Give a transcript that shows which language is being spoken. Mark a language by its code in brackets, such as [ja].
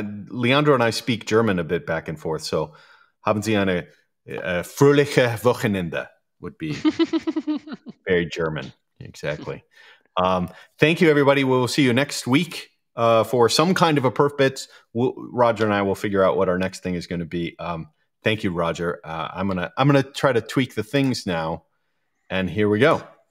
[en] Leandro and I speak German a bit back and forth. [de] So, haben Sie eine fröhliche Wochenende [en] would be very German. Exactly. Thank you, everybody. We'll see you next week for some kind of a perf bits. Roger and I will figure out what our next thing is going to be. Thank you, Roger. I'm gonna try to tweak the things now, and here we go.